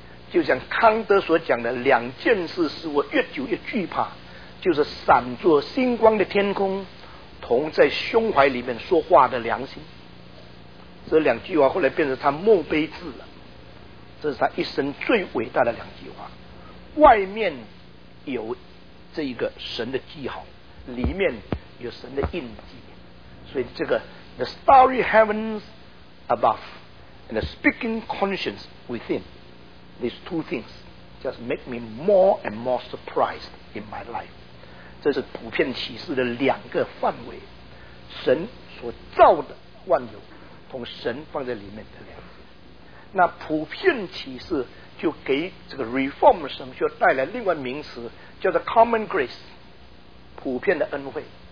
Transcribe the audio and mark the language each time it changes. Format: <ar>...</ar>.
<zh>就像康德所讲的，两件事使我越久越惧怕，就是闪着星光的天空同在胸怀里面说话的良心。这两句话后来变成他墓碑字了，这是他一生最伟大的两句话。外面有这一个神的记号，里面有神的印记。</zh> <en>所以这个 The starry heavens above and the speaking conscience within, these two things just make me more and more surprised in my life。</en> <zh>这是普遍启示的两个范围，神所造的万有同神放在里面的两个。那普遍启示就给这个 Reform 神学带来另外名词，叫做 Common Grace， 普遍的恩惠。</zh>